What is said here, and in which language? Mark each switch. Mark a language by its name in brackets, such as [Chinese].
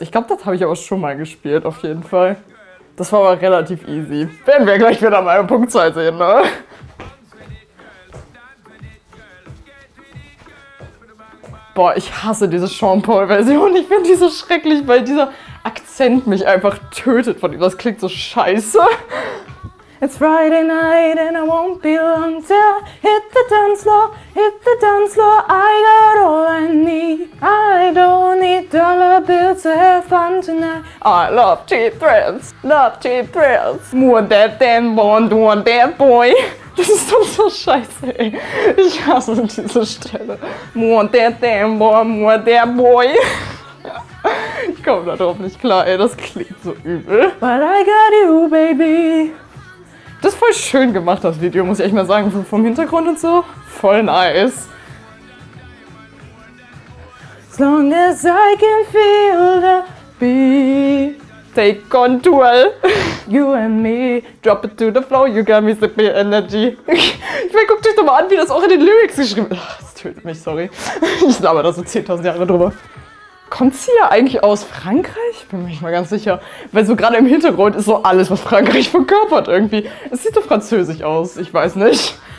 [German] Ich glaube, das habe ich aber schon mal gespielt, auf jeden Fall. Das war aber relativ easy. Werden wir gleich wieder mal Punkt 2 sehen, ne? Boah, ich hasse diese Sean Paul-Version. Ich finde die so schrecklich, weil dieser Akzent mich einfach tötet von ihm. Das klingt so scheiße. [English] It's Friday night and I won't be long till hit the dance floor, I got all I need. I don't need dollar bills to have fun tonight. I love cheap thrills, more dead than bond, one dead boy. [German] Das ist doch so scheiße, ey. Ich hasse diese Stelle. More dead than bond, more dead boy. Ich komme da drauf nicht klar, ey, das klingt so übel. [English] But I got you, baby. [German] Das ist voll schön gemacht, das Video, muss ich echt mal sagen, vom Hintergrund und so. Voll nice. [English] As long as I can feel the beat. Take on duel. You and me. Drop it to the flow, you got me sippy energy. [German] Ich meine, guckt euch doch mal an, wie das auch in den Lyrics geschrieben ist. Das tötet mich, sorry. Ich laber da so 10.000 Jahre drüber. Kommt sie ja eigentlich aus Frankreich? Bin mir nicht mal ganz sicher. Weil so gerade im Hintergrund ist so alles, was Frankreich verkörpert irgendwie. Es sieht so französisch aus, ich weiß nicht.